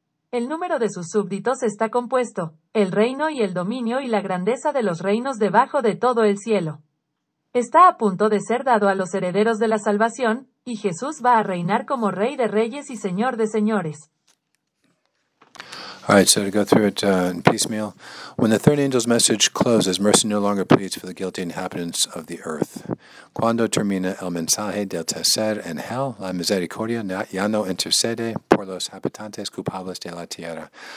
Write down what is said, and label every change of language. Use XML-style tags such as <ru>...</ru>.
<es>El número de sus súbditos está compuesto, el reino y el dominio y la grandeza de los reinos debajo de todo el cielo. Está a punto de ser dado a los herederos de la salvación, y Jesús va a reinar como rey de reyes y señor de señores.</es> <en>All right, so to go through it in piecemeal. When the third angel's message closes, mercy no longer pleads for the guilty inhabitants of the earth.</en> <es>Cuando termina el mensaje del tercer ángel, la misericordia ya no intercede por los habitantes culpables de la tierra.</es>